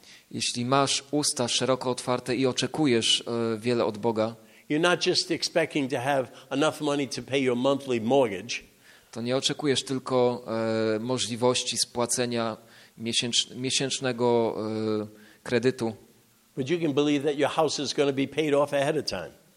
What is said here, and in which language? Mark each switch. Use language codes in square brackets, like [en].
[pl] Jeśli masz usta szeroko otwarte i oczekujesz wiele od Boga, [en] you're not just expecting to have enough money to pay your monthly mortgage. [pl] To nie oczekujesz tylko możliwości spłacenia miesięcznego kredytu. [en] But you can believe that your house is going to be paid off ahead of time.